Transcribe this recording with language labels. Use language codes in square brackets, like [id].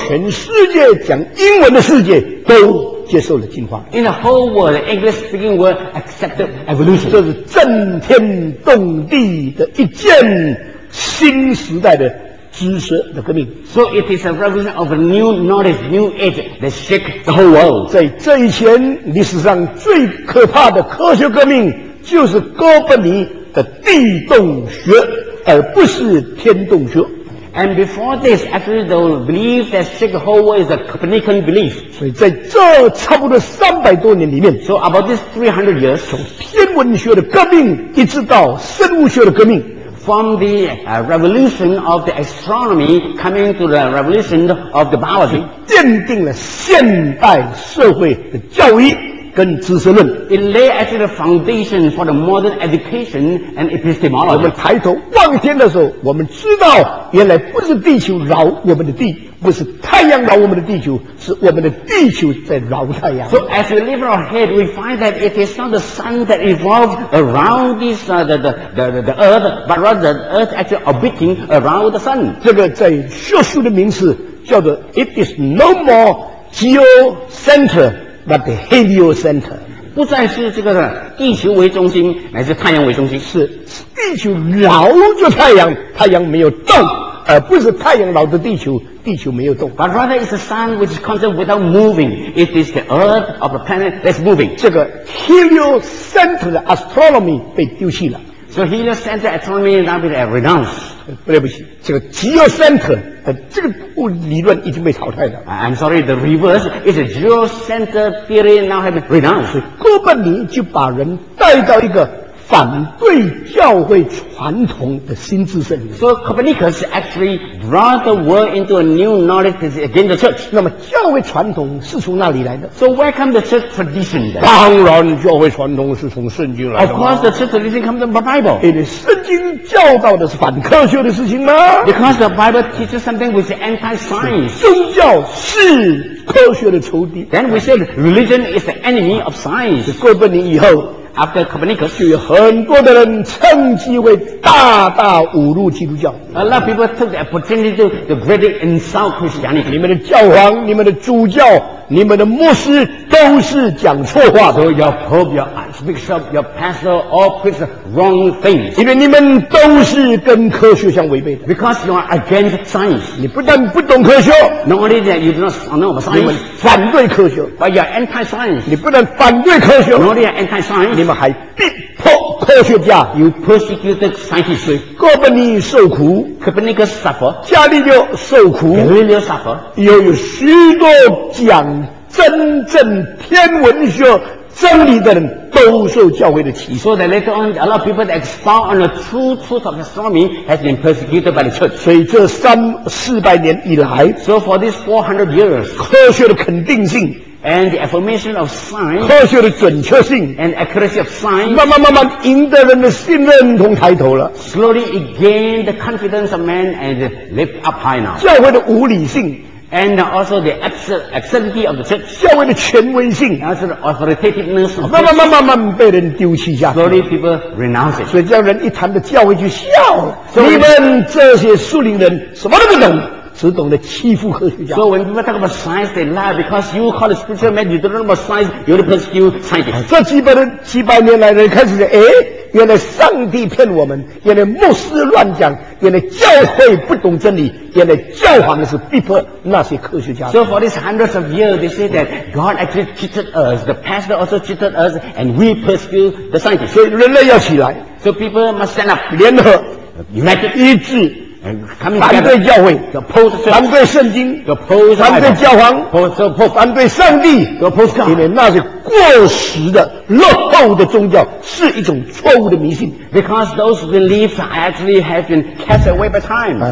[zh] 全世界讲英文的世界都接受了进化。 [en] In the whole world, the English speaking world accepted evolution. [zh] 这是震天动地的一件新时代的知识的革命。 [en] So it is a revolution of a new knowledge, new age that shake the whole world. [zh] 在这以前，历史上最可怕的科学革命就是哥本尼的地动学，而不是天动学。 [en] And before this, actually the belief that shake the whole world is a Copernican belief. [zh] 所以在这差不多三百多年里面 [en] So about this 300 years, [zh] 从天文学的革命一直到生物学的革命 [en] From the revolution of the astronomy coming to the revolution of the biology, [zh] 奠定了现代社会的教育跟知识论 [en] It lay at the foundation for the modern education and epistemology. [zh] 我们抬头望天的时候，我们知道原来不是地球绕我们的地，不是太阳绕我们的地球，是我们的地球在绕太阳。 [en] So as we lift our head, we find that it is not the sun that revolves around this the earth, but rather the earth actually orbiting around the sun. [zh] 这个在学术的名词叫做 [en] It is no more geocenter. But the heliocenter [zh] 不再是这个地球为中心，乃是太阳为中心。是地球绕着太阳，太阳没有动，而不是太阳绕着地球，地球没有动。 [en] But rather it's the sun which is constant without moving. It is the earth of the planet that's moving. [zh] 这个 heliocenter astronomy 被丢弃了。 [en] So heliocenter astronomy now been renounced. [zh] 对不起，这个 geocenter 这个理论已经被淘汰了。 [en] I'm sorry, the reverse is a geocenter theory now have been renounced. [zh] 哥本尼就把人带到一个反对教会传统的新知识里面。 [en] So Copernicus actually brought the world into a new knowledge against the church. [zh] 那么教会传统是从哪里来的 [en] ？So where come the church tradition? [zh] 当然，教会传统是从圣经来的。 [en] Of course, the church tradition comes from the Bible. [zh] 因为圣经教导的是反科学的事情吗 [en] ？Because the Bible teaches something which is anti-science. [zh] 宗教是科学的仇敌。 [en] Then we said religion is the enemy of science. [zh] 哥本尼以后。 [en] After Copernicus, [zh] 就有很多的人趁机会大大侮辱基督教。 [en] A lot of people took the opportunity to the great insult Christianity. [zh] 你们的教皇、你们的主教、你们的牧师都是讲错话的。 [en] So your pope, your archbishop, your pastor all preach wrong things. [zh] 因为你们都是跟科学相违背的。 [en] Because you are against science. [zh] 你不但不懂科学 [en] ，Not only that you do not know about science. [zh] 你们反对科学 [en] ，But you are anti-science. [zh] 你不但反对科学 [en] ，Not only anti-science. [zh] 你们还逼迫科学家 [en] You persecuted scientists [zh] 哥本尼受苦 [en] Copernicus suffer [zh] 伽利略受苦 [en] Galileo suffer [zh] 又有许多讲真正天文学真理的人都受教会的歧视 [en] So that later on a lot of people that expound on the true truth of astronomy has been persecuted by the church [zh] 所以这三四百年以来 [en] So for these 400 years [zh] 科学的肯定性 [en] And the affirmation of science, [zh] 科学的准确性 [en] and accuracy of science, [zh] 慢慢慢慢赢得人的信任同抬头了 [en] Slowly it gained the confidence of man and lift up high now. [zh] 教会的无理性 [en] and also the absurdity of the church. [zh] 教会的权威性 [en] also the authoritativeness of the [zh] church. 慢慢慢慢被人丢弃下去 [en] Slowly people renounce it. [zh] 所以这样人一谈到教会就笑了 so, 你们这些树林人什么都不懂只懂得欺负科学家。 [en] So when people talk about science, they lie because you call a spiritual man, you don't know about science, you don't persecute scientists. [zh] 这几百年来人开始说，原来上帝骗我们，原来牧师乱讲，原来教会不懂真理，原来教皇是逼迫那些科学家。 [en] So for these hundreds of years, they say that God actually cheated us, the pastor also cheated us, and we persecute the scientists. [zh] 所以人类要起来。 [en] So people must stand up. [zh] 联合 [en] ，united， [zh] 一致。 [en] Together, [zh] 反对教会 [en] church, [zh] 反对圣经 [en] Bible, [zh] 反对教皇 [en] the Pope, [zh] 反对上帝 [en] God, [zh] 因为那是过时的落后的宗教是一种错误的迷信 [en] because those beliefs actually have been cast away by time